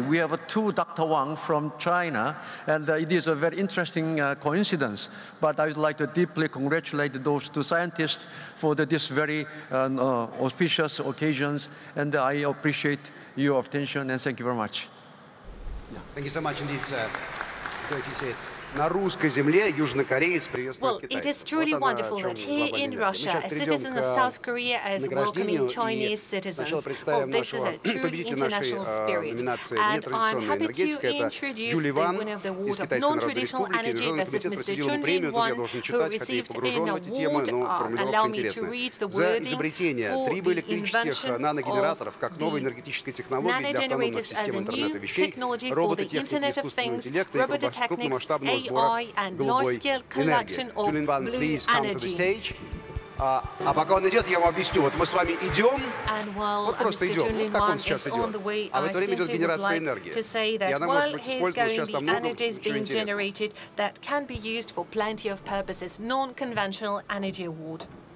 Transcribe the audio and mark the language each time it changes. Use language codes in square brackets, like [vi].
[en] We have two Dr. Wang from China, and it is a very interesting coincidence. But I would like to deeply congratulate those two scientists for this very auspicious occasions. And I appreciate your attention, and thank you very much. Yeah. Thank you so much indeed, sir. Great to see it. [ru] На русской земле южнокореец приветствует Китай. [en] Well, it is truly wonderful that here in Russia, a citizen of South Korea is welcoming Chinese citizens. Well, this is a true international spirit. And I'm happy to introduce the winner of the award of non-traditional energy. This is Mr. Junlin Wan, who received an award. Allow me to read the wording for the invention of the nanogenerators as a new technology for the Internet of Things, robototechnics, AI and large-scale collection of blue energy. [ru] А пока он идет, я вам объясню. Вот мы с вами идем, вот просто идем, вот как он сейчас идет. А в это время идет генерация энергии. И она может быть использована сейчас во многом, очень интересно.